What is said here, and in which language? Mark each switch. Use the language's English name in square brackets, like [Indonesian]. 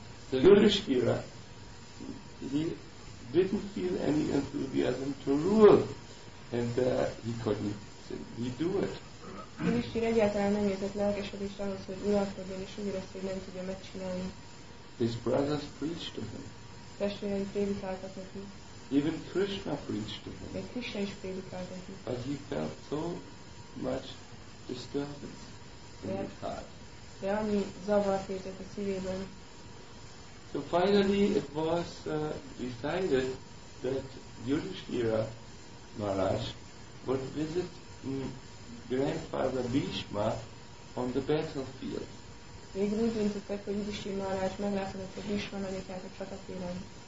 [English] So Yudhisthira, he didn't feel any enthusiasm to rule, and he couldn't simply do it. [Hungarian] Yudhisthira egyáltalán nem érzett lelkesedést ahhoz, hogy uralkodjon, és úgy érezte, hogy nem tudja megcsinálni. [English] His brothers preached to him. [Hungarian] Testvérei prédikáltak neki. [English] Even Krishna preached to him. [Hungarian] Még Krishna is prédikált neki. [English] But he felt so much disturbance in his heart. [Hungarian] De annyi zavart érzett a szívében. [English] So finally it was decided that Yudhisthira Maharaj would visit Grandfather Bhishma on the battlefield. [Hungarian] Végül úgy döntöttek, hogy Yudhisthira Maharaj meglátogatta a Bhishma nagyikát a csatatéren.